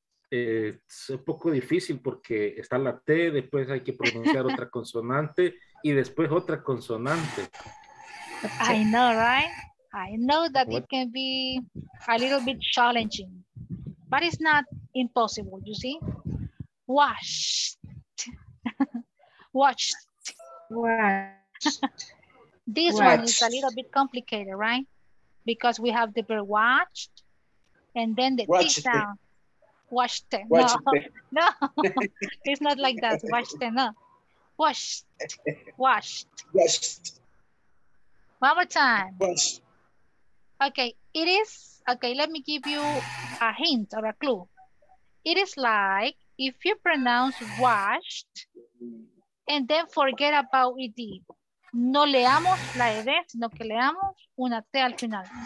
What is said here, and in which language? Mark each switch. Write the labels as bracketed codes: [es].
[es] Es un poco difícil porque está la T, después hay que pronunciar otra consonante y después otra consonante. [en] I know, right? I know that it can be a little bit challenging, but it's not impossible, you see? Washed. Watched. Watched. This watched. One is a little bit complicated, right? Because we have the verb watched and then the T sound. Washed. No, no. It's not like that. Washed. No. Washed. Washed. Washed. One more time. Washed. Okay, it is, okay, let me give you a hint or a clue. It is like if you pronounce washed and then forget about ed. [es] No leamos la ed, sino que leamos una T al final.